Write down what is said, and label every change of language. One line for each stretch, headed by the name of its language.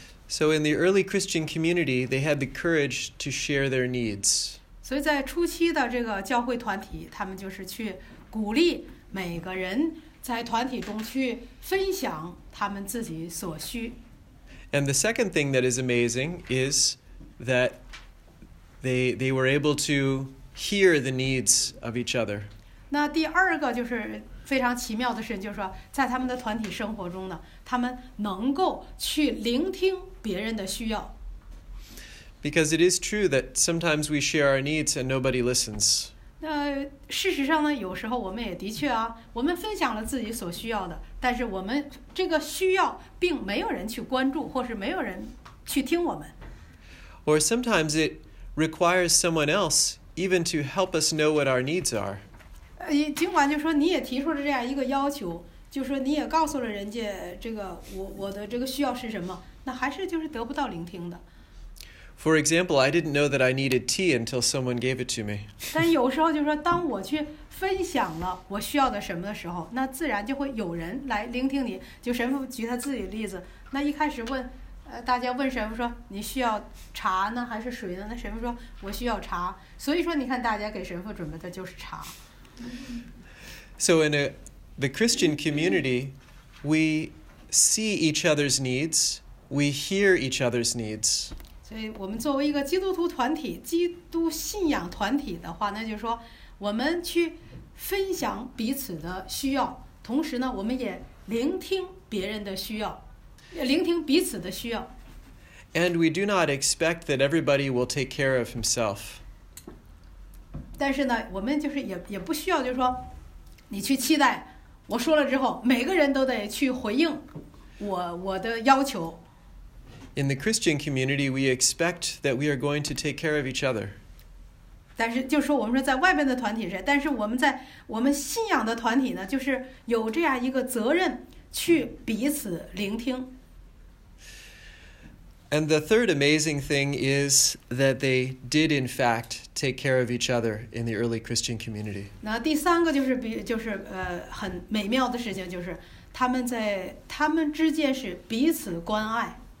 English: So in the early Christian community, they had the courage to share their needs.
Chinese: 所以在初期的这个教会团体，他们就是去鼓励每个人在团体中去分享他们自己所需。
English: And the second thing that is amazing is that they were able to hear the needs of each other.
Chinese: 那第二个就是非常奇妙的事，就是说在他们的团体生活中呢，他们能够去聆听别人的需要。
English: Because it is true that sometimes we share our needs and nobody listens.
Chinese: 那事实上呢，有时候我们也的确啊，我们分享了自己所需要的，但是我们这个需要并没有人去关注，或是没有人去听我们。
English: Or sometimes it requires someone else even to help us know what our needs are.
Chinese: 尽管就是说你也提出了这样一个要求，就是说你也告诉了人家这个我的这个需要是什么，那还是就是得不到聆听的。
English: For example, I didn't know that I needed tea until someone gave it to me.
Chinese: 但有时候就是说当我去分享了我需要的什么的时候，那自然就会有人来聆听你。就神父举他自己的例子，那一开始问大家问神父说你需要茶呢还是水呢，那神父说我需要茶，所以说你看大家给神父准备的就是茶。
English: So in the Christian community, we see each other's needs, we hear each other's needs.
Chinese: 所以我们作为一个基督徒团体，基督信仰团体的话，那就是说我们去分享彼此的需要，同时呢，我们也聆听别人的需要，聆听彼此的需要。
English: And we do not expect that everybody will take care of himself.
Chinese: 但是呢，我们就是也不需要，就是说，你去期待我说了之后，每个人都得去回应我的要求。
English: In the Christian community, we expect that we are going to take care of each other.
Chinese: 但是就是说，我们说在外面的团体是，但是我们在我们信仰的团体呢，就是有这样一个责任去彼此聆听。
English: And the third amazing thing is that they did in fact take care of each other in the early Christian community.
Chinese: 那第三个就是很美妙的事情，就是他们之间是彼此关爱。